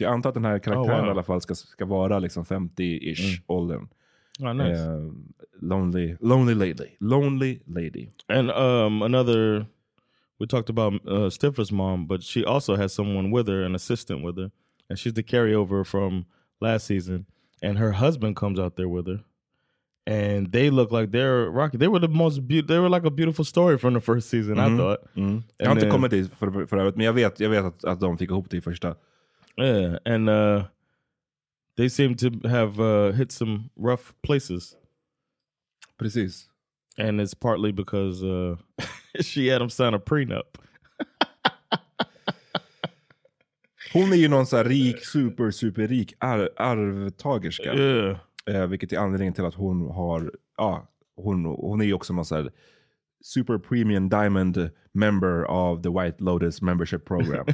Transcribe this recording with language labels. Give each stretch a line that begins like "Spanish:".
Swedish: Jag antar att den här karaktären i alla fall ska vara liksom 50-ish åldern.
English: Ah, nice. Lonely lady. And another, we talked about Stifler's mom, but she also has someone with her, an assistant with her, and she's the carryover from last season, and her husband comes out there with her. And they look like they're rocky. They were the most beautiful. They were like a beautiful story from the first season, I thought. Mm.
Swedish: Jag har inte kommit dit för övrigt, men jag vet att de fick ihop det i första.
English: Yeah, and they seem to have hit some rough places.
Swedish: Precis.
English: And it's partly because she had them sign a prenup.
Swedish: Hon är ju någon så här rik, super rik arvtagerska.
English: Yeah.
Swedish: Vilket är anledningen till att hon har hon är också någon
English: super premium diamond member of the White Lotus membership program.